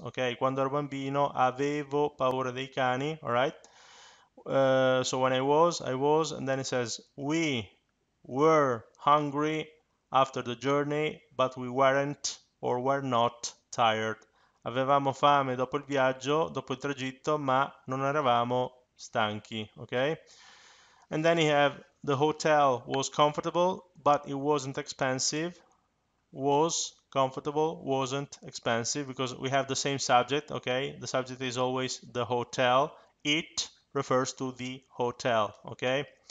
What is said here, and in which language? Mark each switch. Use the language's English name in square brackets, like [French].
[Italian] Okay, quando ero bambino avevo paura dei cani. [English] All right, so when I was, and then it says we were hungry after the journey, but we weren't or were not tired. [Italian] Avevamo fame dopo il viaggio, dopo il tragitto, ma non eravamo stanchi, okay? [English] And then you have the hotel was comfortable, but it wasn't expensive. Was comfortable, wasn't expensive, because we have the same subject, okay? The subject is always the hotel. It refers to the hotel, okay?